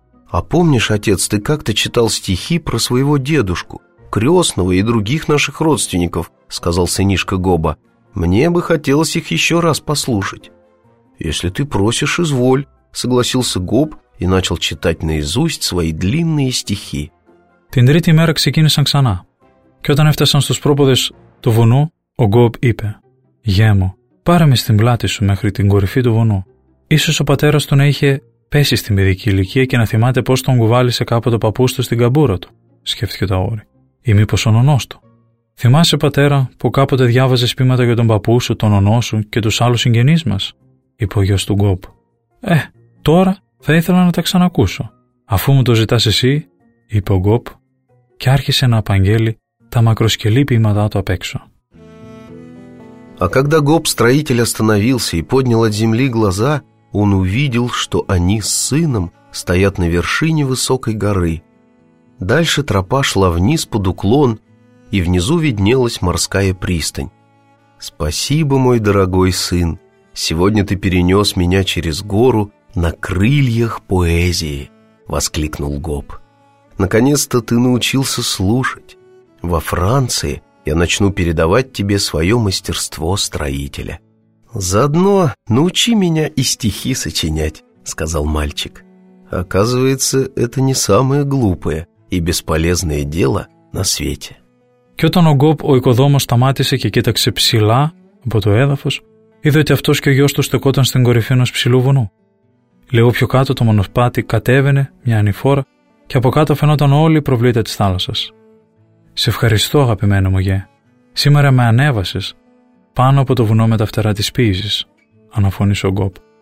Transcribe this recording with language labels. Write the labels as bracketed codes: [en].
[ru] А помнишь, отец, ты как-то читал стихи про своего дедушку, крестного и других наших родственников, сказал сынишка Гоба. Мне бы хотелось их еще раз послушать. Если ты просишь, изволь, согласился Гоб и начал читать наизусть свои длинные стихи. [el] Την τρίτη μέρα ξεκίνησαν ξανά. Και όταν έφτασαν στους πρόποδες του βουνού, ο Γκόμπ είπε: «Γιέ μου, πάρε με στην πλάτη σου μέχρι την κορυφή του βουνού. Ίσως ο πατέρας του να είχε πέσει στην παιδική ηλικία και να θυμάται πώς τον κουβάλισε κάποτε ο παππούς του στην καμπούρα του», σκέφτηκε το αγόρι. «Ή μήπως ο νονός του. Θυμάσαι, πατέρα, που κάποτε διάβαζες ποίηματα για τον παππού σου, τον νονό σου και τους άλλους συγγενείς μας», είπε ο γιος του Γκόμπ. Τώρα θα ήθελα να τα ξανακούσω. Αφού μου το ζητάς εσύ», είπε ο Γκόμπ, και άρχισε να απαγγέλει τα μακροσκελή ποίηματά του απ' έξω. [ru] А когда Гоб строитель остановился и поднял от земли глаза, он увидел, что они с сыном стоят на вершине высокой горы. Дальше тропа шла вниз под уклон, и внизу виднелась морская пристань. «Спасибо, мой дорогой сын, сегодня ты перенес меня через гору на крыльях поэзии», — воскликнул Гоб. «Наконец-то ты научился слушать. Во Франции я начну передавать тебе свое мастерство строителя. Заодно научи меня и стихи сочинять», — сказал мальчик. «Оказывается, это не самое глупое и бесполезное дело на свете». [el] Και όταν ο Γκόμπ ο οικοδόμος σταμάτησε και κοίταξε ψηλά από το έδαφος, είδε ότι αυτός και ο γιος του στεκόταν στην κορυφή ενός ψηλού βουνού. Λίγο πιο κάτω το μονοσπάτι κατέβαινε μια ανηφόρα και από κάτω φαινόταν όλη η προβλήτα της θάλασσας. «Σε ευχαριστώ, αγαπημένο μου γιέ. Σήμερα με ανέβασες πάνω από το βουνό με τα φτερά της πίζης», αναφώνησε ο Γκόμπ.